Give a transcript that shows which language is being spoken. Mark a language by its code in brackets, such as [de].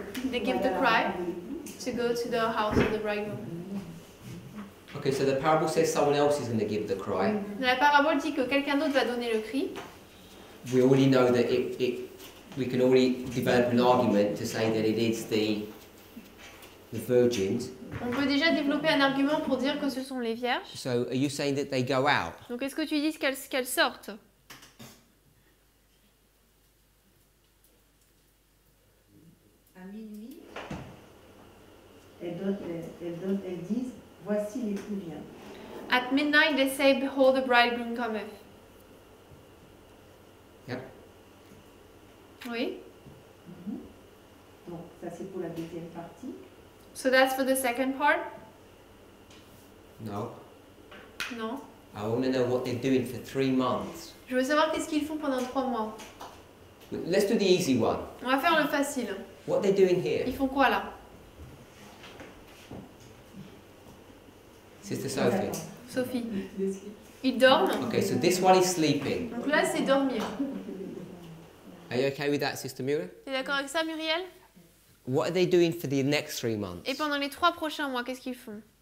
[en] They give the cry to go to the house of the bridegroom. Okay, so the parable says someone else is going to give the cry. [fr] La parabole dit que quelqu'un d'autre va donner le cri. [en] We already know that it we can already develop an argument to say that it is the virgins. [fr] On peut déjà développer un argument pour dire que ce sont les vierges. [en] So, are you saying that they go out? [fr] Donc, est-ce que tu dis qu'elles sortent? À minuit, elles disent, voici l'époux vient. [en] At midnight, they say, behold, the bridegroom cometh. Yep. [fr] Oui. Mm-hmm. Donc, ça c'est pour la deuxième partie. [en] So that's for the second part? No. No. I want to know what they're doing for 3 months. [fr] Je veux savoir qu'est-ce qu'ils font pendant 3 mois. [en] Let's do the easy one. [fr] On va faire le facile. [en] What they're doing here? [fr] Ils font quoi là? [en] Sister Sophie. [fr] Sophie. Ils dorment. [en] Okay, so this one is sleeping. [fr] Donc là, c'est dormir. [en] Are you okay with that, Sister Muriel? [fr] T'es d'accord avec ça, Muriel? [en] What are they doing for the next 3 months? [fr] Et pendant les 3 prochains mois, qu'est-ce qu'ils font?